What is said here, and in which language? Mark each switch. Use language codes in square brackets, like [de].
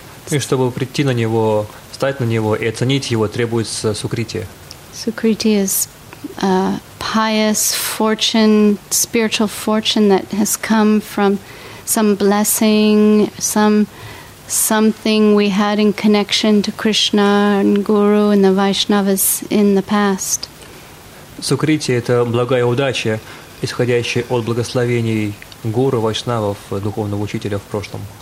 [ru] И чтобы прийти на него, встать на него и оценить его, требуется сукрити. [en] Sukriti is pious fortune, spiritual fortune that has come from some blessing, something we had in connection to Krishna and Guru and the Vaishnavas in the past. [ru] Sukriti – это благая удача, исходящая от благословений Гуру, Вайшнавов, духовного учителя в прошлом.